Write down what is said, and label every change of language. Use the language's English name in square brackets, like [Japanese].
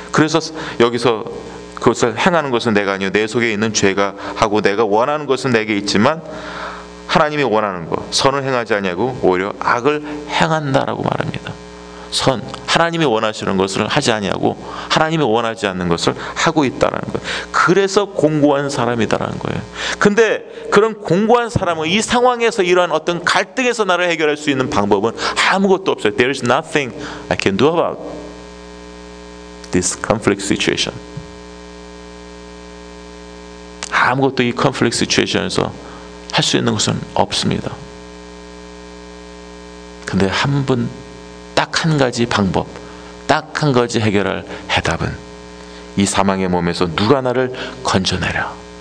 [Korean] 그래서 여기서 그것을 행하는 것은 내가 아니요 내 속에 있는 죄가 하고 내가 원하는 것은 내게 있지만 하나님이 원하는 것 선을 행하지 않냐고 오히려 악을 행한다라고 말합니다. 선 하나님이 원하시는 것을 하지 않냐고 하나님이 원하지 않는 것을 하고 있다라는 거예요. 그래서 공고한 사람이다라는 거예요. 근데 그런 공고한 사람은 이 상황에서 이러한 어떤 갈등에서 나를 해결할 수 있는 방법은 아무것도 없어요. [English] There is nothing I can do about this conflict situation. [Korean] 아무것도 이 conflict situation에서 할 수 있는 것은 없습니다. 근데 한 분 딱 한 가지 방법, 딱 한 가지 해결할 해답은 이 사망의 몸에서 누가 나를 건져내려.